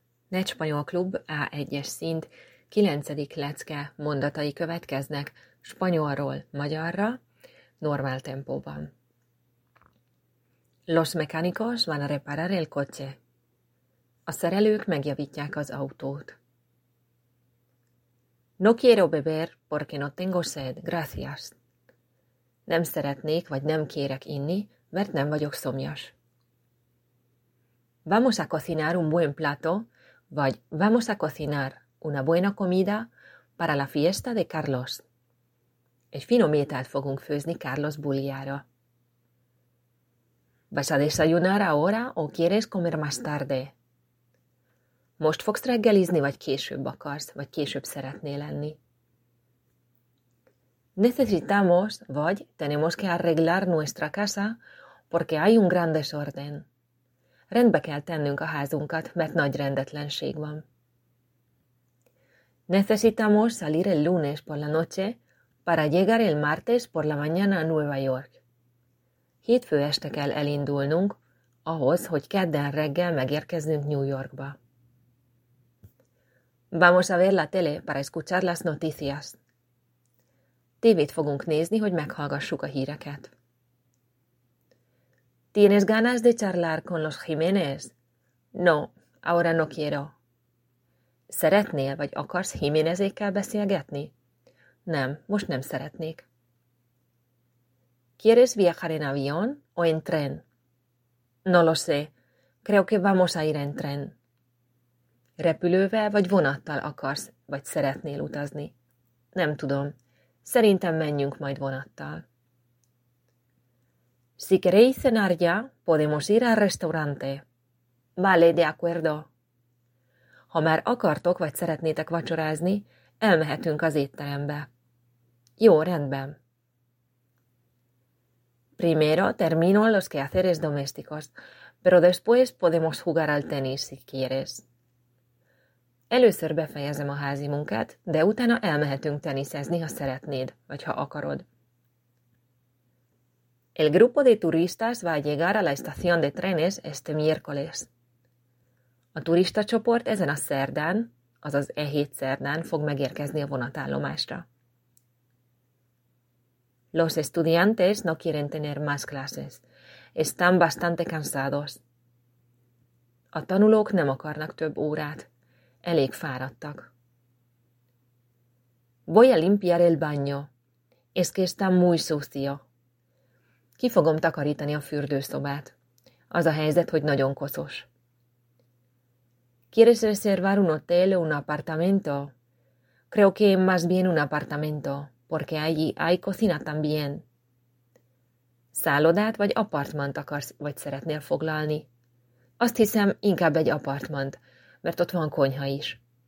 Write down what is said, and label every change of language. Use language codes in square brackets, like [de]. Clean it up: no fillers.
[hu] Ne Spanyol Klub, A1-es szint, 9. lecke mondatai következnek spanyolról magyarra, normál tempóban. [es] Los mecánicos van a reparar el coche. [hu] A szerelők megjavítják az autót. [es] No quiero beber porque no tengo sed, gracias. [hu] Nem szeretnék vagy nem kérek inni, mert nem vagyok szomjas. [es] Vamos a cocinar un buen plato, [hu] vagy [es] vamos a cocinar una buena comida para la fiesta de Carlos. [hu] Egy finom ételt fogunk főzni Carlos buliára. [es] ¿Vas a desayunar ahora o quieres comer más tarde? [hu] Most fogsz reggelizni, vagy később akarsz, vagy később szeretnél lenni? [es] Necesitamos, [hu] vagy [es] tenemos que arreglar nuestra casa, porque hay un gran desorden. [hu] Rendbe kell tennünk a házunkat, mert nagy rendetlenség van. [es] Necesitamos salir el lunes por la noche para llegar el martes por la mañana a Nueva York. [hu] Hétfő este kell elindulnunk, ahhoz, hogy kedden reggel megérkezzünk New Yorkba. [es] Vamos a ver la tele para escuchar las noticias. [hu] Tévét fogunk nézni, hogy meghallgassuk a híreket. [es] ¿Tienes ganas de charlar con los Jiménez? No, ahora no quiero. [hu] Szeretnél vagy akarsz Jiménezékkel beszélgetni? Nem, most nem szeretnék. [es] ¿Quieres viajar en avión o en tren? No lo sé. Creo que vamos a ir en tren. [hu] Repülővel vagy vonattal akarsz, vagy szeretnél utazni? Nem tudom. Szerintem menjünk majd vonattal. [es] Si queréis cenar ya, podemos ir al restaurante. Vale, de acuerdo. [hu] Ha már akartok, vagy szeretnétek vacsorázni, elmehetünk az étterembe. Jó, rendben. [es] Primero termino los quehaceres domésticos, pero después podemos jugar al tenis, si quieres. [hu] Először befejezem a házi munkát, de utána elmehetünk teniszezni, ha szeretnéd, vagy ha akarod. [es] El grupo de turistas va a llegar a la estación de trenes este miércoles. [hu] A turista csoport ezen a szerdán, azaz e hét szerdán fog megérkezni a vonatállomásra. [es] Los estudiantes no quieren tener más clases. Están bastante cansados. [hu] A tanulók nem akarnak több órát. Elég fáradtak. [es] Voy a limpiar el baño. Es que está muy sucio. [hu] Ki fogom takarítani a fürdőszobát. Az a helyzet, hogy nagyon koszos. [es] ¿Quieres reservar un hotel o un apartamento? Creo que más bien un apartamento, porque allí hay cocina también. [hu] Szállodát vagy apartmant akarsz, vagy szeretnél foglalni? Azt hiszem, inkább egy apartmant, mert ott van konyha is.